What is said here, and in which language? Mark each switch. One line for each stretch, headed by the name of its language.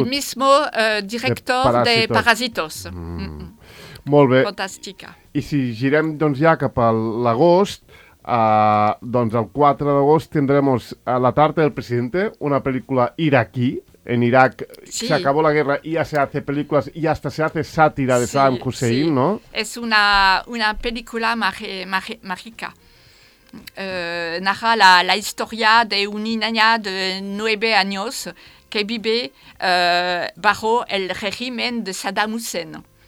Spanish: El mismo director de Parásitos.
Catalan: Molt bé. Fantàstica. I si girem doncs, ja cap a l'agost, doncs el 4 d'agost tindrem La Tarta del Presidente, una pel·lícula iraquí.
Spanish: En Irak sí. Se acabó la guerra y ya se hace películas y hasta se hace sátira de sí, Saddam Hussein, sí. ¿No? Es una película mágica. Narra la historia de una niña de 9 años que vive bajo el régimen de Saddam Hussein.